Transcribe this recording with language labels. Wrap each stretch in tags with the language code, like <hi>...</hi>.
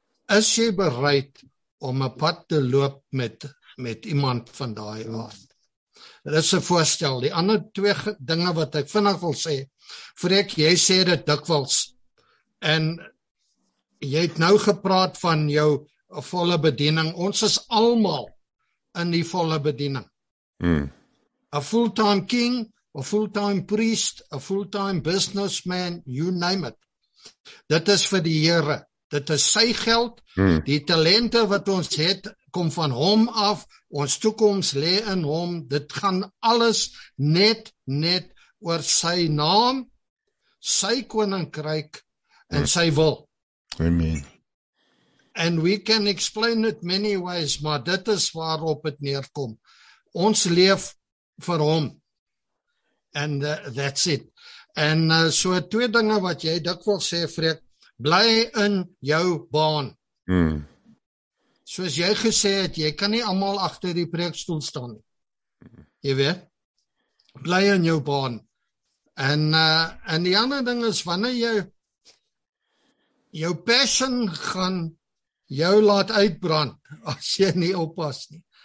<af>Is jy bereid om 'n pad te loop met iemand van daai aard? Dit is 'n voorstel. Die ander twee dinge wat ek vinnig wil sê, Freek, jy sê dit dikwels, en jy het nou gepraat van jou volle bediening. Ons is allemaal in die volle bediening.</af> <en>A fulltime king, a fulltime priest, a fulltime businessman, you name it.</en> <af>Dit is vir die Here. Dit is sy geld. Die talente wat ons het, kom van hom af, ons toekoms lê in hom, dit gaan alles net oor sy naam, sy koninkryk, en sy wil. Amen.</af> <en>And we can explain it many ways,</en> <af>maar dit is waarop het neerkom. Ons leef vir hom,</af> <en>and that's it.</en> <af>En so twee dinge wat jy dikwels sê, Freek, bly in jou baan. Soos jy gesê het, jy kan nie allemaal agter die preekstoel staan. Jy weet, bly in jou baan. En die ander ding is, wanneer jou passion gaan jou laat uitbrand, as jy nie oppas nie.</af>